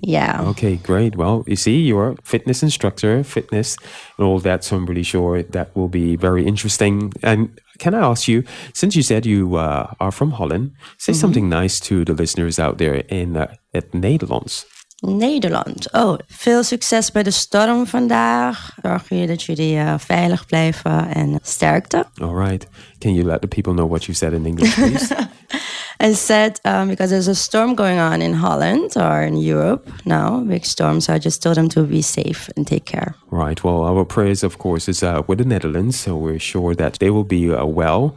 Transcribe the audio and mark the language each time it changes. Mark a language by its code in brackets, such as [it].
[en] Yeah. Okay, great. Well, you see, you're a fitness instructor, fitness and all that. So I'm pretty sure that will be very interesting. And can I ask you, since you said you are from Holland, say mm-hmm. something nice to the listeners out there in Nederlands. Nederland. [nl] Oh, veel succes bij de storm vandaag. Zorg je dat jullie veilig blijven en sterkte. [en] All right. Can you let the people know what you said in English, please? I said, because there's a storm going on in Holland or in Europe now, big storm. So I just told them to be safe and take care. Right. Well, our prayers, of course, is with the Netherlands. So we're sure that they will be well.